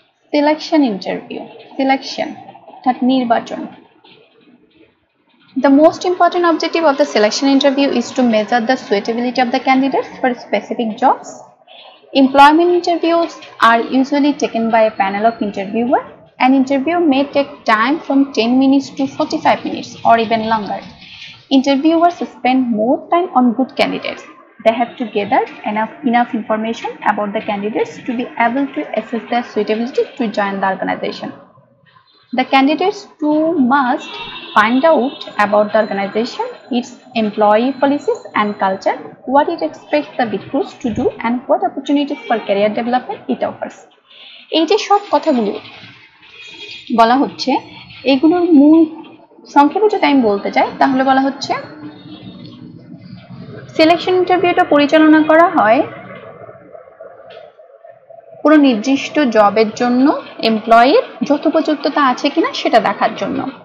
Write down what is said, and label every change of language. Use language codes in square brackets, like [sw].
[bn] Selection interview, selection অর্থাৎ নির্বাচন। [en] The most important objective of the selection interview is to measure the suitability of the candidates for specific jobs. Employment interviews are usually taken by a panel of interviewer. An interview may take time from 10 minutes to 45 minutes or even longer. Interviewers spend more time on good candidates. They have to gather enough information about the candidates to be able to assess their suitability to join the organization. The candidates too must find out about the organization, its employee policies and culture, what it expects the recruits to do and what opportunities for career development it offers. [bn] এই যে সব কথাগুলো বলা হচ্ছে এগুলোর মূল সংক্ষেপে যদি আমি বলতে চাই তাহলে বলা হচ্ছে সিলেকশন ইন্টারভিউটা পরিচালনা করা হয় কোনো নির্দিষ্ট জবের জন্য এমপ্লয়ির যথোপযুক্ততা আছে কিনা সেটা দেখার জন্য।